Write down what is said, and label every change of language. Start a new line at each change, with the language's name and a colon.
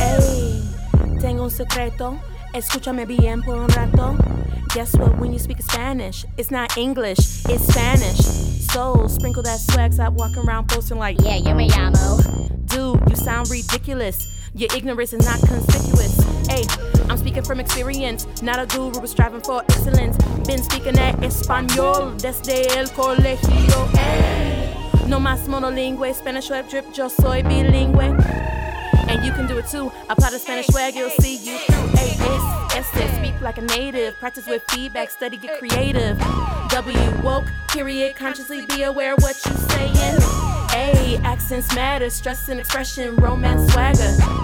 Spanish: A, tengo un secreto, escúchame bien por un rato.
English: Guess what, when you speak Spanish, it's not English, it's Spanish. So, sprinkle that swag, stop walking around posting like,
Spanish: yeah, yo me llamo.
English: Dude, you sound ridiculous. Your ignorance is not conspicuous. Hey, I'm speaking from experience, not a guru who's striving for excellence. Been speaking that Espanol
Spanish: desde el colegio. Hey, no más monolingüe,
English: Spanish web drip,
Spanish: yo soy bilingüe.
English: And you can do it too, apply the Spanish swag, you'll see you through. Hey, Este, speak like a native, practice with feedback, study, get creative. W, woke, period, consciously be aware what you saying. A, accents matter, stress and expression, romance, swagger.